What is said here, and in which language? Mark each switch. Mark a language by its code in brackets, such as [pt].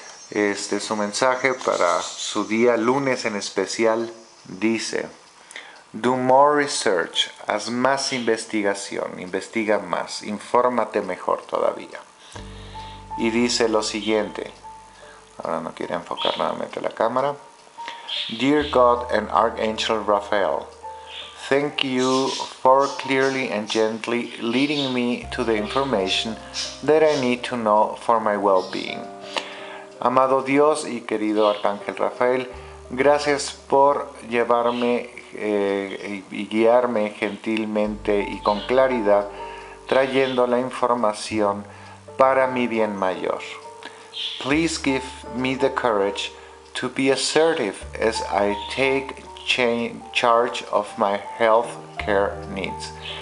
[es] Este es su mensaje para su día lunes en especial. Dice: [en] do more research, [es] haz más investigación, investiga más, infórmate mejor todavía. Y dice lo siguiente, ahora no quiere enfocar nuevamente la cámara. [en] Dear God and Archangel Raphael, thank you for clearly and gently leading me to the information that I need to know for my well-being. [es] Amado Dios y querido Arcángel Rafael, gracias por llevarme y guiarme gentilmente y con claridad, trayendo la información para mi bien mayor. [en] Please give me the courage to be assertive as I take charge of my health care needs.